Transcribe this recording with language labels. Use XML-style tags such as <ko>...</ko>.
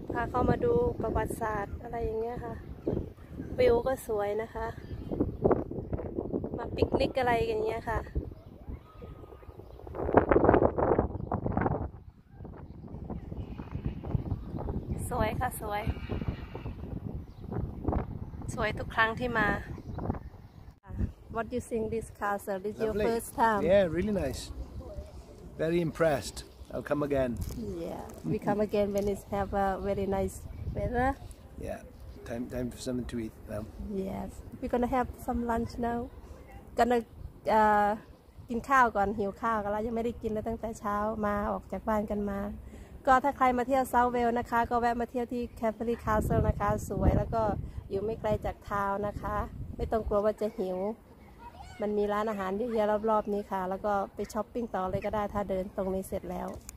<th>เข้ามาดูประวัติศาสตร์อะไรอย่างเงี้ยค่ะวิวก็สวยนะคะมาปิกนิกอะไรอย่างเงี้ยค่ะสวยค่ะสวยสวยทุกครั้งที่มา</th> <en>What do you think this castle? This is your first time? Yeah, really nice. Very impressed. I'll come again. Yeah, we come again when it's have a very nice weather. Yeah, time for something to eat now. Yes, we're gonna have some lunch now.</en> <th>Gonna กินข้าวก่อนหิวข้าวกันแล้วยังไม่ได้กินเลยตั้งแต่เช้ามาออกจากบ้านกันมาก็ถ้าใครมาเที่ยวเซาเวลนะคะก็แวะมาเที่ยวที่แคฟเฟอรี่คาสเซิลนะคะสวยแล้วก็อยู่ไม่ไกลจากทาวน์นะคะไม่ต้องกลัวว่าจะหิวมันมีร้านอาหารเยอะๆรอบๆนี้ค่ะแล้วก็ไปช้อปปิ้งต่อเลยก็ได้ถ้าเดินตรงนี้เสร็จแล้ว</th>